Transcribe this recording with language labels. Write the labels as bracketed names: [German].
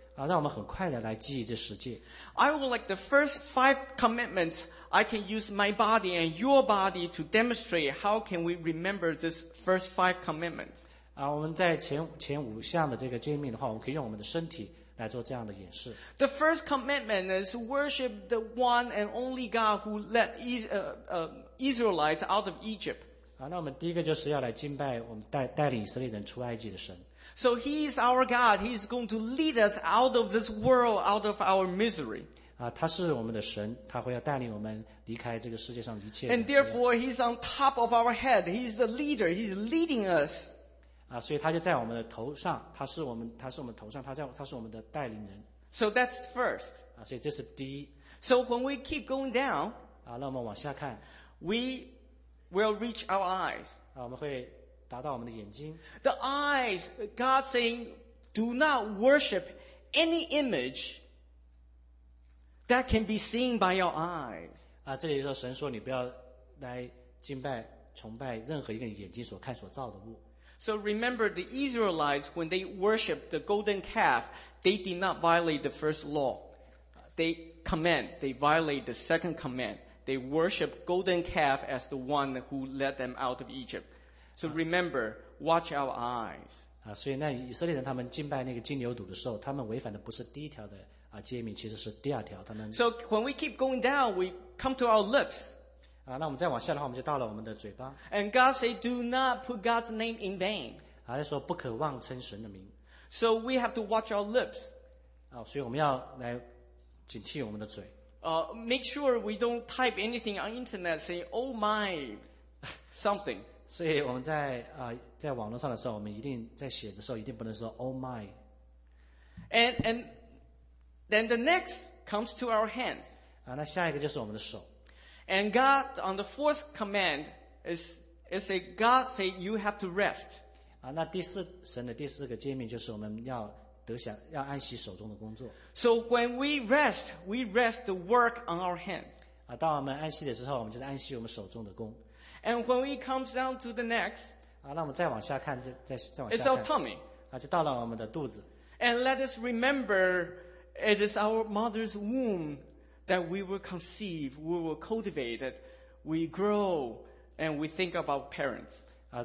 [Chinese] 让我们很快的来记忆这十诫。 [English] I would like the first five commandments, I can use my body and your body to demonstrate how can we remember this first five commandments. [Chinese] 我们在前五项的这个诫命的话，我们可以用我们的身体来做这样的演示。 [English] The first commandment is worship the one and only God who led Israelites out of Egypt. [Chinese] 那我们第一个就是要来敬拜我们 带领以色列人出埃及的神。 [English] So he is our God. He is going to lead us out of this world, out of our misery. [Chinese] 他是我们的神，他会要带领我们离开这个世界上一切。 [English] And therefore, he is on top of our head. He is the leader. He is leading us. [Chinese] 所以他就在我们的头上，他是我们头上，他是我们的带领人。 [English] So that's first. [Chinese] 所以这是第一。 [English] So when we keep going down, [Chinese] 那我们往下看 [English] We'll reach our eyes. [Chinese] 我们会达到我们的眼睛。 [English] The eyes, God saying, do not worship any image that can be seen by your eyes. [Chinese] 这里说神说你不要来敬拜、崇拜任何一个眼睛所看所造的物。 [English] So remember the Israelites, when they worshiped the golden calf, they did not violate the first law. They command, they violate the second command. They worship golden calf as the one who led them out of Egypt. So remember, watch our eyes. [Chinese] 所以那以色列人他们敬拜那个金牛犊的时候，他们违反的不是第一条的诫命，其实是第二条。他们 [English] So when we keep going down, we come to our lips. [Chinese] 那我们再往下的话，我们就到了我们的嘴巴。 [English] And God said, "Do not put God's name in vain." [Chinese] 他说不可妄称神的名。 [English] So we have to watch our lips. [Chinese] 所以我们要来警惕我们的嘴。 [English] Make sure we don't type anything on internet saying, oh my, something. [Chinese] 所以我们在网络上的时候，我们一定在写的时候一定不能说 [English] oh my. And then the next comes to our hands. [Chinese] 那下一个就是我们的手。 [English] And God, on the fourth command, God say you have to rest. [Chinese] 那第四神的第四个诫命就是我们要得享，要安息手中的工作。 [English] So when we rest the work on our hand. [Chinese] 当我们安息的时候，我们就是安息我们手中的工。 [English] And when it comes down to the neck. [Chinese] 那我们再往下看，再往下看。 [English] It's our tummy. [Chinese] 就到了我们的肚子。 [English] And let us remember, it is our mother's womb that we will conceive, we will cultivate, we grow, and we think about parents.